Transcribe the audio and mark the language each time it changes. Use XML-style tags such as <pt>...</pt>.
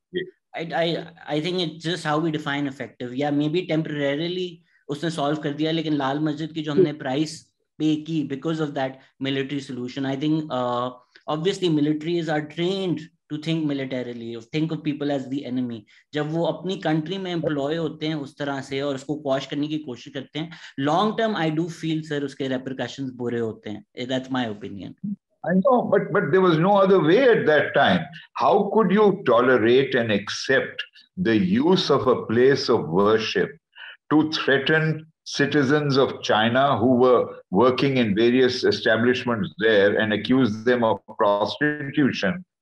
<en>Yeah. I think it's just how we define effective. Yeah, maybe temporarily</en> <hi>usne solve kar diya, lekin Lal Masjid ki jo humne price pay ki</hi> <en>because of that military solution. I think obviously militaries are trained to think militarily, or think of people as the enemy.</en> <hi>जब वो अपनी country में employ होते हैं उस तरह से और उसको quash करने की कोशिश करते हैं,</hi> <en>long term I do feel sir</en> <hi>उसके repercussions बुरे होते हैं.</hi> <en>That's my opinion. I know, but there was no other way at that time. How could you tolerate and accept the use of a place of worship to threaten citizens of China who were working in various establishments there and accuse them of prostitution?</en>